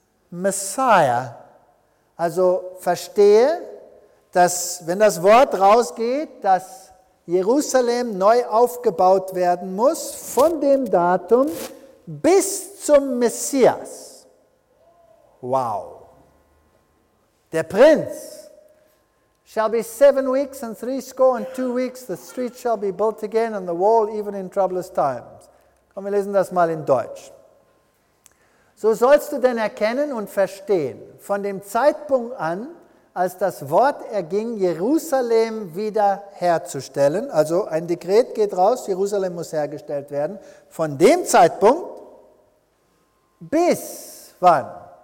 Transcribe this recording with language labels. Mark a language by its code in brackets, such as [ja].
[en] Messiah. [de] Also verstehe, dass wenn das Wort rausgeht, dass Jerusalem neu aufgebaut werden muss von dem Datum bis zum Messias. Wow. Der Prinz [en] shall be 7 weeks and 72 weeks, the street shall be built again and the wall even in troublous times. [de] Komm, wir lesen das mal in Deutsch. So sollst du denn erkennen und verstehen, von dem Zeitpunkt an, als das Wort erging, Jerusalem wieder herzustellen, also ein Dekret geht raus, Jerusalem muss hergestellt werden, von dem Zeitpunkt bis wann?